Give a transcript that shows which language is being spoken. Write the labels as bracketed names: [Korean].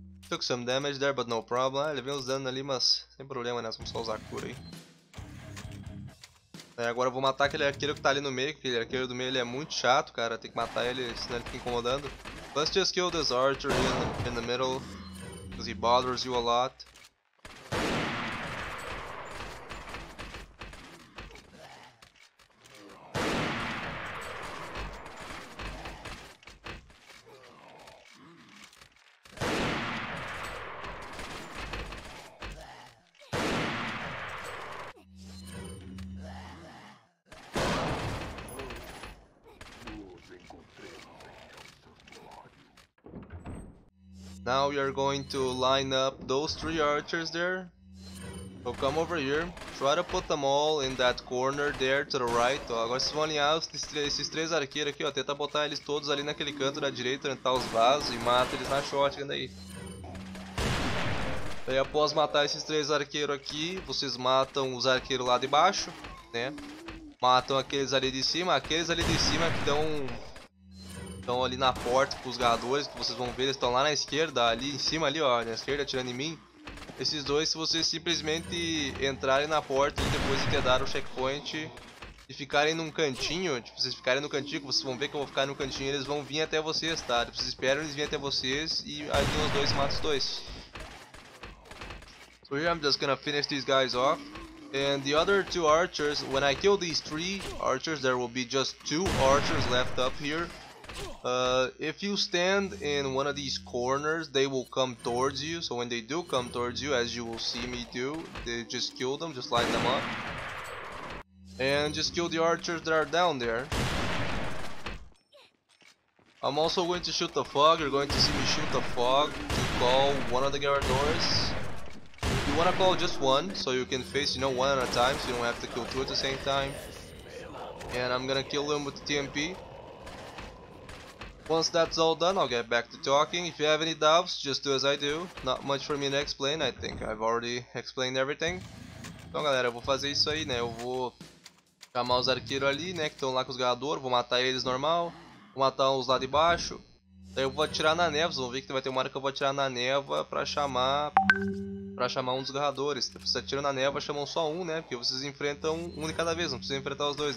[English] Took some damage there, but no problem. [Portuguese] Ah, levei uns danos ali, mas sem problema, né? Vamos só usar a cura aí. É, agora eu vou matar aquele arqueiro que tá ali no meio, porque aquele arqueiro do meio ele é muito chato, cara. Tem que matar ele, senão ele fica incomodando. [English] Let's just kill this archer in the middle, because he bothers you a lot. Now we are going to line up those three archers there. So come over here. Try to put them all in that corner there to the right. [Portuguese] Ó, agora vocês vão alinhar esses três arqueiros aqui, ó. Tenta botar eles todos ali naquele canto da direita onde tá os vasos e mata eles na shotgun aí. Aí após matar esses três arqueiros aqui, vocês matam os arqueiros lá de baixo, né? Matam aqueles ali de cima. Aqueles ali de cima que estão... estão ali na porta com os garradores, que vocês vão ver, eles estão lá na esquerda, ali em cima ali, ó, na esquerda, atirando em mim. Esses dois, se vocês simplesmente entrarem na porta e depois de ter dado o checkpoint e ficarem num cantinho, tipo, vocês ficarem no cantinho, vocês vão ver que eu vou ficar no cantinho e eles vão vir até vocês, tá? Vocês esperam eles virem até vocês e aí os dois matam os dois. [English] So here I'm just gonna finish these guys off. And the other two archers, when I kill these three archers, there will be just two archers left up here. If you stand in one of these corners, they will come towards you. So when they do come towards you, as you will see me do, they just kill them, just line them up. And just kill the archers that are down there. I'm also going to shoot the fog. You're going to see me shoot the fog to call one of the Garadors. You want to call just one, so you can face, you know, one at a time, so you don't have to kill two at the same time. And I'm gonna kill them with the TMP. Once that's all done, I'll get back to talking. If you have any doubts, just do as I do. Not much for me to explain, I think I've already explained everything. [Portuguese] Então galera, eu vou fazer isso aí, né? Eu vou chamar os arqueiros ali, né? Que estão lá com os garradores, vou matar eles normal. Vou matar os lá de baixo. Daí eu vou atirar na neva, vocês vão ver que vai ter uma hora que eu vou atirar na neva pra chamar... pra chamar um dos garradores. Se você atira na neva, chamam só um, né? Porque vocês enfrentam um de cada vez, não precisa enfrentar os dois.